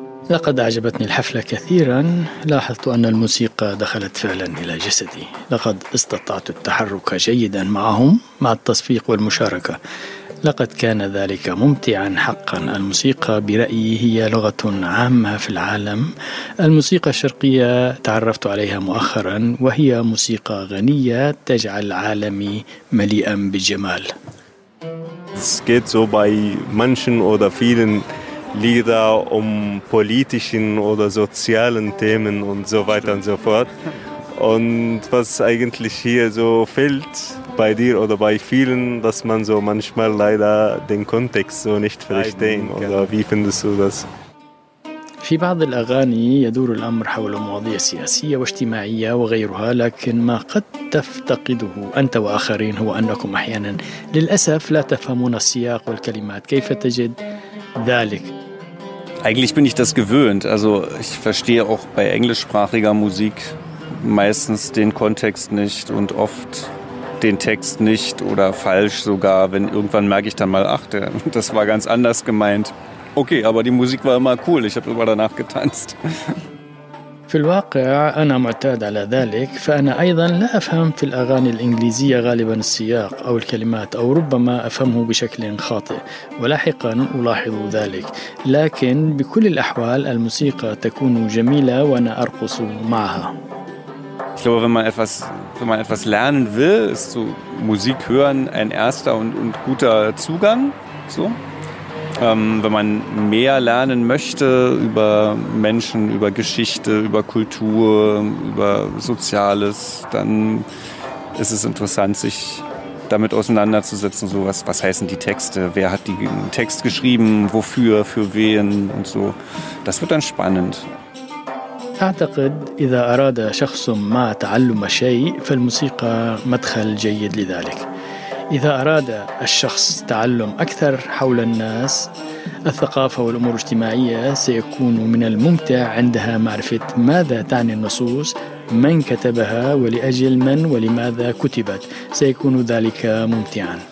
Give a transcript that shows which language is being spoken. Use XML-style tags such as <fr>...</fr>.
<ar>لقد أعجبتني الحفلة كثيرا لاحظت أن الموسيقى دخلت فعلا إلى جسدي لقد استطعت التحرك جيدا معهم مع التصفيق والمشاركة لقد كان ذلك ممتعا حقا الموسيقى برأيي هي لغة عامة في العالم الموسيقى الشرقية تعرفت عليها مؤخرا وهي موسيقى غنية تجعل عالمي مليئا بالجمال</ar> <de>Es geht so bei manchen oder vielen Lieder um politischen oder sozialen Themen und so weiter und so fort. Und was eigentlich hier so fehlt bei dir oder bei vielen, dass man so manchmal leider den Kontext so nicht versteht. Oder wie findest du das?</de> <ar>في بعض الأغاني يدور الأمر حول مواضيع سياسية واجتماعية وغيرها لكن ما قد تفتقده أنت وآخرين هو أنكم أحيانا للأسف لا تفهمون السياق والكلمات كيف تجد ذلك؟</ar> <de>Eigentlich bin ich das gewöhnt. Also ich verstehe auch bei englischsprachiger Musik meistens den Kontext nicht und oft den Text nicht oder falsch sogar. Wenn irgendwann merke ich dann mal, ach, das war ganz anders gemeint. Okay, aber die Musik war immer cool. Ich habe immer danach getanzt.</de> <ar>في الواقع أنا معتاد على ذلك فأنا أيضا لا أفهم في الأغاني الإنجليزية غالبا السياق أو الكلمات أو ربما أفهمه بشكل خاطئ ولاحقا ألاحظ ذلك لكن بكل الأحوال الموسيقى تكون جميلة وأنا أرقص معها</ar> <de>Ich glaube, wenn man etwas lernen will, ist so Musik hören ein erster und guter Zugang. So. Wenn man mehr lernen möchte über Menschen, über Geschichte, über Kultur, über Soziales, dann ist es interessant, sich damit auseinanderzusetzen. So was heißen die Texte? Wer hat den Text geschrieben? Wofür? Für wen? Und so. Das wird dann spannend.</de> <ar>أعتقد إذا أراد شخص ما تعلم شيء فالموسيقى مدخل جيد لذلك إذا أراد الشخص تعلم أكثر حول الناس الثقافة والأمور الاجتماعية سيكون من الممتع عندها معرفة ماذا تعني النصوص من كتبها ولأجل من ولماذا كتبت سيكون ذلك ممتعا</ar>